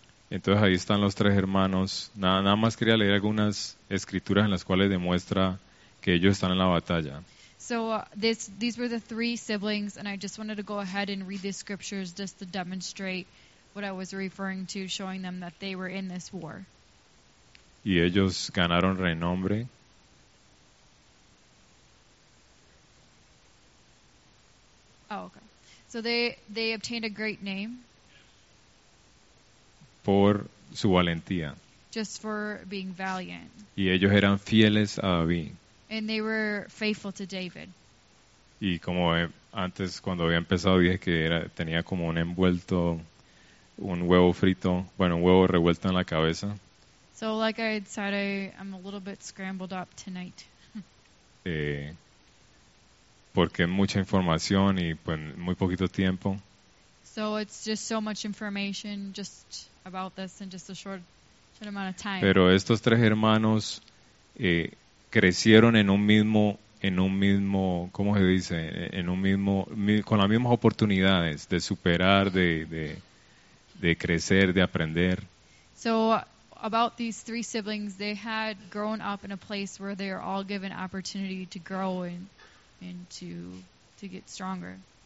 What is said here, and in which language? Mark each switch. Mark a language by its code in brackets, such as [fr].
[es] Entonces ahí están los tres hermanos. Nada más quería leer algunas escrituras en las cuales demuestra que ellos están en la batalla. [en] So these were the three siblings, and I just wanted to go ahead and read these scriptures just to demonstrate what I was referring to, showing them that they were in this war. [es] Y ellos ganaron renombre. [en] Oh, okay. So they obtained a great name. [es] Por su valentía. [en] Just for being valiant. [es] Y ellos eran fieles a David. [en] And they were faithful to David. [es] Y como antes, cuando había empezado, dije que era, tenía como un envuelto, un huevo frito, bueno, un huevo revuelto en la cabeza. [en] So like I said, I'm a little bit scrambled up tonight. [es] Porque mucha información y pues muy poquito tiempo. [en] So it's just so much information just about this in just a short amount of time. [es] Pero estos tres hermanos crecieron en un mismo, ¿cómo se dice? En un mismo, con las mismas oportunidades de superar, de crecer, de aprender. [en] So about these three siblings, they had grown up in a place where they are all given opportunity to grow and to get stronger.